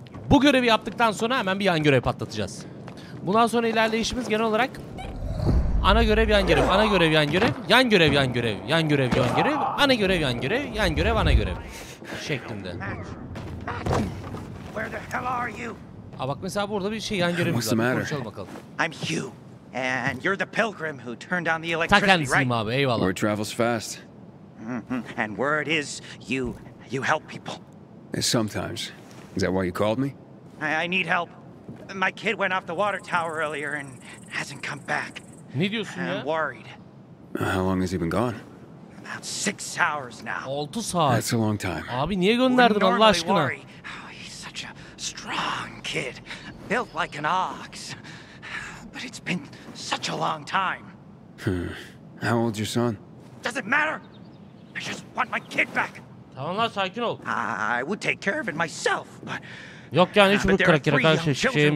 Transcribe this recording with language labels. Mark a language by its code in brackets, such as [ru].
[tr] Bu görevi yaptıktan sonra hemen bir yan görev patlatacağız. Bundan sonra ilerleyişimiz genel olarak ana görev, yan görev, ana görev, yan görev, yan görev, yan görev, yan görev, yan görev, ana görev, yan görev, yan görev, ana görev şeklinde. Aa, bak mesela burada bir şey, yan görev var. Konuşalım bakalım. [en] I'm Hugh and you're the pilgrim who turned on the electricity, right? [tr] Abi, eyvallah. [en] Word travels fast. And word is you help people. And sometimes. Is that why you called me? I need help. My kid went off the water tower earlier and hasn't come back. [tr] Ne diyorsun ya? [en] I'm worried. How long has he been gone? About 6 hours now. [tr] 6 saat. [en] That's a long time. [tr] Abi niye gönderdin Allah aşkına? [en] Worry. He's such a strong kid, built like an ox. But it's been such a long time. How old's your son? Does it matter? I just want my kid back. [tr] Tamam lan, sakin ol. [en] I would take care of it myself, but. [tr] Yok yani hiç bu kırık kırık her şey şey mi?